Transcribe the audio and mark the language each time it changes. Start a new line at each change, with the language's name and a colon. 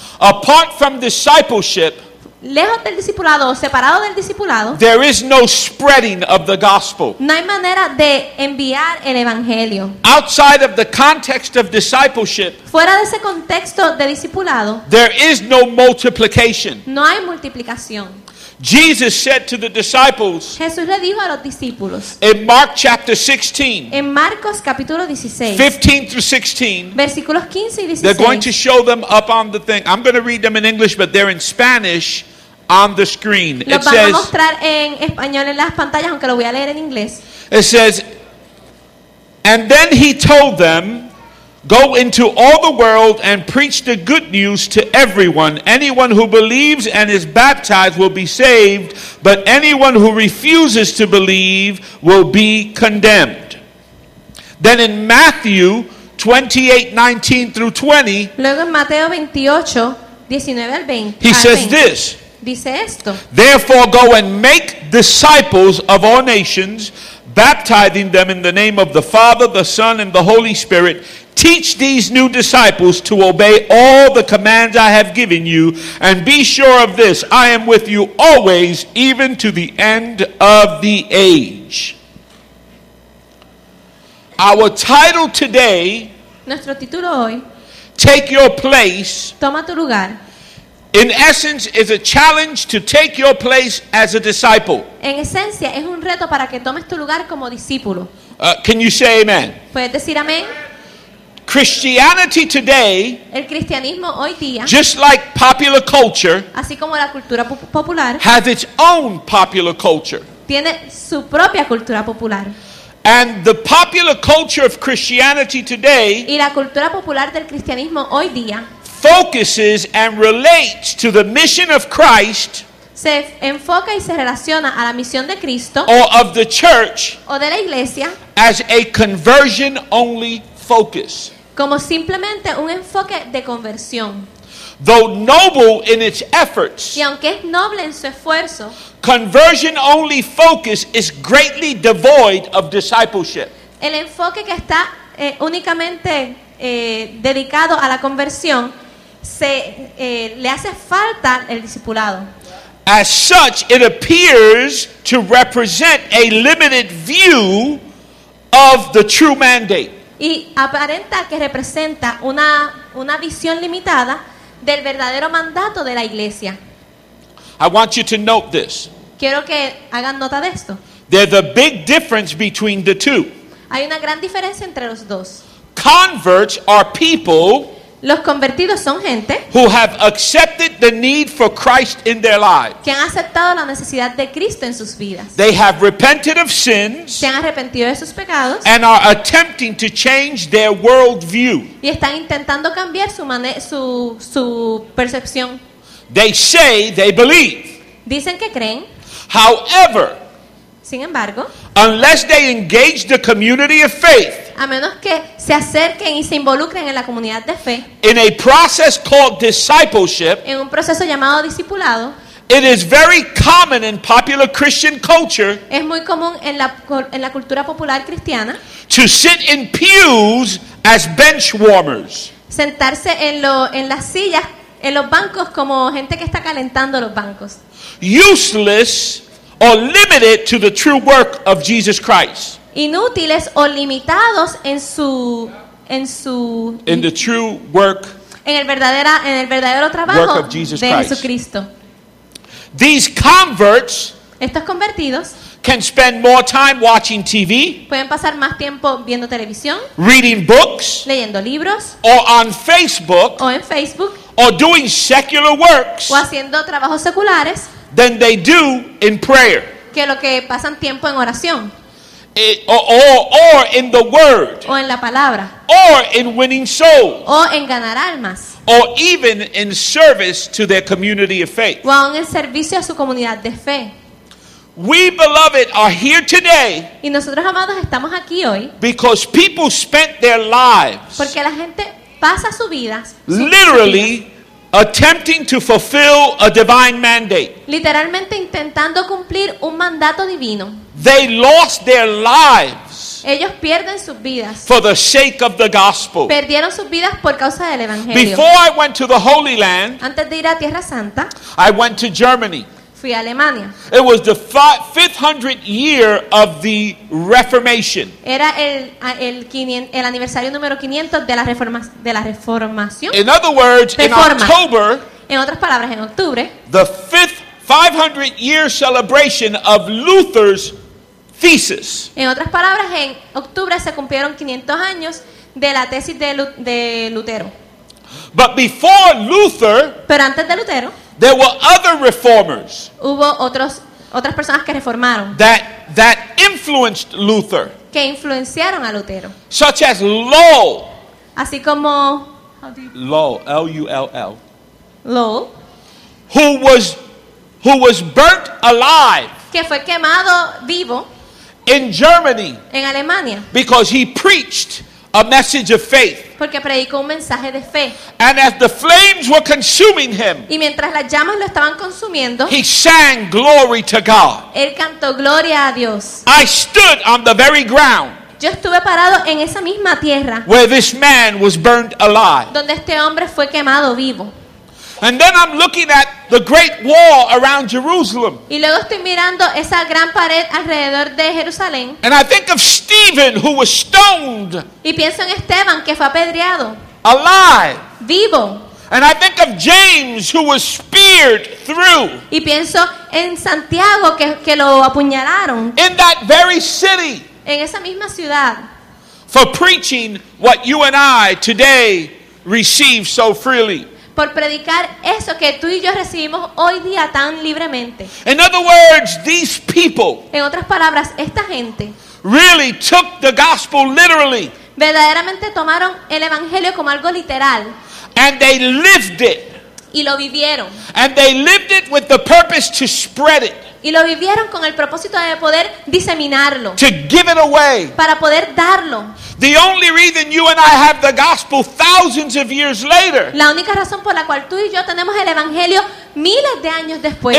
English: Apart from discipleship,
Spanish: lejos del discipulado o separado del discipulado,
English: there is no spreading of the gospel.
Spanish: No hay manera de enviar el evangelio.
English: Outside of the context of discipleship,
Spanish: fuera de ese contexto de discipulado,
English: there is no multiplication.
Spanish: No hay multiplicación.
English: Jesus said to the disciples.
Spanish: Jesús le dijo a los discípulos.
English: In Mark chapter 16.
Spanish: En Marcos capítulo 16.
English: 15 through 16.
Spanish: Versículos 15 y 16.
English: They're going to show them up on the thing. I'm going to read them in English, but they're in Spanish on the screen. It says.
Spanish: Los van a mostrar en español en las pantallas, aunque lo voy a leer en inglés.
English: It says, and then he told them, Go into all the world and preach the good news to everyone. Anyone who believes and is baptized will be saved, but anyone who refuses to believe will be condemned. Then in Matthew 28:19 through 20,
Spanish: luego en Mateo 28, 19 al 20,
English: he says this.
Spanish: Dice esto.
English: Therefore go and make disciples of all nations, baptizing them in the name of the Father, the Son, and the Holy Spirit. Teach these new disciples to obey all the commands I have given you, and be sure of this, I am with you always, even to the end of the age. Our title today,
Spanish: nuestro título hoy,
English: Take Your Place,
Spanish: toma tu lugar,
English: in essence is a challenge to take your place as a disciple.
Spanish: En esencia es un reto para que tomes tu lugar como discípulo.
English: Can you say amen?
Spanish: ¿Puedes decir amén?
English: Christianity today,
Spanish: el cristianismo hoy día,
English: just like popular culture,
Spanish: así como la cultura popular,
English: has its own popular culture.
Spanish: Tiene su propia cultura popular.
English: And the popular culture of Christianity today,
Spanish: y la cultura popular del cristianismo hoy día,
English: focuses and relates to the mission of Christ,
Spanish: se enfoca y se relaciona a la misión de Cristo,
English: or of the church,
Spanish: o de la iglesia,
English: as a conversion only focus.
Spanish: Como simplemente un enfoque de conversión.
English: Though noble in its efforts,
Spanish: y aunque es noble en su esfuerzo,
English: conversion only focus is greatly devoid of discipleship.
Spanish: El enfoque que está únicamente dedicado a la conversión se le hace falta el discipulado.
English: As such, it appears to represent a limited view of the true mandate.
Spanish: Y aparenta que representa una visión limitada del verdadero mandato de la iglesia.
English: I want you to note this.
Spanish: Quiero que hagan nota de esto.
English: There's a big difference between the two.
Spanish: Hay una gran diferencia entre los dos.
English: Converts are people,
Spanish: los convertidos son gente,
English: who have accepted the need for Christ in their lives.
Spanish: Que han aceptado la necesidad de Cristo en sus vidas.
English: They have repented of sins,
Spanish: se han arrepentido de sus pecados,
English: and are attempting to change their worldview.
Spanish: Y están intentando cambiar su percepción.
English: They say they believe.
Spanish: Dicen que creen.
English: However,
Spanish: sin embargo,
English: unless they engage the community of faith,
Spanish: a menos que se acerquen y se involucren en la comunidad de fe,
English: in a process called discipleship,
Spanish: en un proceso llamado discipulado,
English: it is very common in popular Christian culture,
Spanish: es muy común en la cultura popular cristiana,
English: to sit in pews as bench warmers,
Spanish: sentarse en las sillas, en los bancos, como gente que está calentando los bancos,
English: useless or limited to the true work of Jesus Christ.
Spanish: Inútiles o limitados en su
English: in the true work,
Spanish: en el verdadero trabajo
English: work of Jesus
Spanish: de Jesucristo.
English: These converts,
Spanish: estos convertidos,
English: can spend more time watching TV,
Spanish: pueden pasar más tiempo viendo televisión,
English: reading books,
Spanish: leyendo libros,
English: or on Facebook,
Spanish: o en Facebook,
English: or doing secular works,
Spanish: o haciendo trabajos seculares,
English: than they do in prayer,
Spanish: que lo que pasan tiempo en oración.
English: Or in the word,
Spanish: o en la palabra,
English: or in winning souls,
Spanish: o en ganar almas,
English: or even in service to their community of faith,
Spanish: o aun en servicio a su comunidad de fe.
English: We beloved are here today,
Spanish: y nosotros amados estamos aquí hoy,
English: because people spent their lives,
Spanish: porque la gente pasa su vida,
English: literally attempting to fulfill a divine mandate,
Spanish: literalmente intentando cumplir un mandato divino.
English: They lost their lives,
Spanish: ellos pierden sus vidas,
English: for the sake of the gospel,
Spanish: perdieron sus vidas por causa del evangelio.
English: Before I went to the Holy Land,
Spanish: antes de ir a Tierra Santa,
English: I went to Germany.
Spanish: Fui a Alemania.
English: It was the 500th year of the Reformation.
Spanish: Era el aniversario número 500 de la reformación.
English: In other words,
Spanish: Reforma.
English: In October.
Spanish: En otras palabras, en octubre.
English: The 500 year celebration of Luther's thesis.
Spanish: En otras palabras, en octubre se cumplieron 500 años de la tesis de Lutero.
English: But before Luther.
Spanish: Pero antes de Lutero.
English: There were other reformers.
Spanish: Hubo otras personas que reformaron.
English: That influenced Luther.
Spanish: Que influenciaron a Lutero.
English: Such as Lull.
Spanish: Así como
English: Lull, L-U-L-L.
Spanish: Lull.
English: Who was burnt alive.
Spanish: Que fue quemado vivo.
English: In Germany.
Spanish: En Alemania.
English: Because he preached a message of faith.
Spanish: Porque predicó un mensaje de fe.
English: And as the flames were consuming him.
Spanish: Y mientras las llamas lo estaban consumiendo.
English: He sang glory to God.
Spanish: Él cantó gloria a Dios.
English: I stood on the very ground.
Spanish: Yo estuve parado en esa misma tierra.
English: Where this man was burned alive.
Spanish: Donde este hombre fue quemado vivo.
English: And then I'm looking at the great wall around Jerusalem.
Spanish: Y luego estoy mirando esa gran pared alrededor de Jerusalén.
English: And I think of Stephen who was stoned.
Spanish: Y pienso en Esteban que fue apedreado.
English: Alive.
Spanish: Vivo.
English: And I think of James who was speared through.
Spanish: Y pienso en Santiago que lo apuñalaron.
English: In that very city.
Spanish: En esa misma ciudad.
English: For preaching what you and I today receive so freely.
Spanish: Por predicar eso que tú y yo recibimos hoy día tan libremente.
English: In other words, these people.
Spanish: En otras palabras, esta gente.
English: Really took the gospel literally.
Spanish: Verdaderamente tomaron el evangelio como algo literal.
English: And they lived it.
Spanish: Y lo vivieron.
English: And they lived it with the purpose to spread it.
Spanish: Y lo vivieron con el propósito de poder diseminarlo.
English: To give it away.
Spanish: Para poder darlo.
English: The only reason you and I have the gospel thousands of years later.
Spanish: La única razón por la cual tú y yo tenemos el evangelio miles de años después.